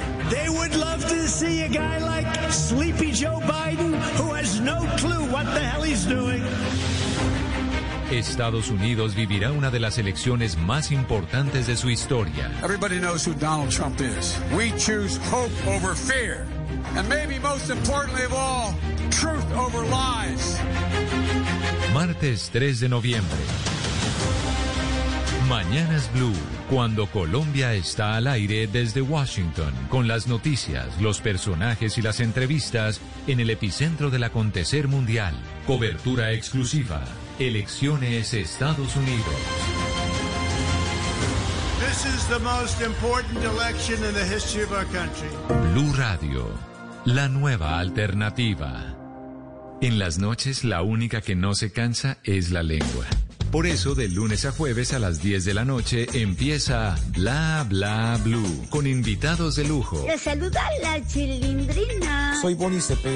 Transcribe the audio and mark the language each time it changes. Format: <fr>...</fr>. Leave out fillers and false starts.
<en>They would love to see a guy like Sleepy Joe Biden, who has no clue what the hell he's doing.</en> <es>Estados Unidos vivirá una de las elecciones más importantes de su historia.</es> <en>Everybody knows who Donald Trump is. We choose hope over fear. And maybe most importantly of all, truth over lies.</en> <es>Martes 3 de noviembre. Mañana es Blue, cuando Colombia está al aire desde Washington, con las noticias, los personajes y las entrevistas en el epicentro del acontecer mundial. Cobertura exclusiva. Elecciones Estados Unidos.</es> <en>This is the most important election in the history of our country.</en> <es>Blu Radio, la nueva alternativa. En las noches, la única que no se cansa es la lengua. Por eso, de lunes a jueves a las 10 de la noche, empieza Bla Bla BLU, con invitados de lujo. Te saluda la Chilindrina. Soy Bonnie Cepeda.</es>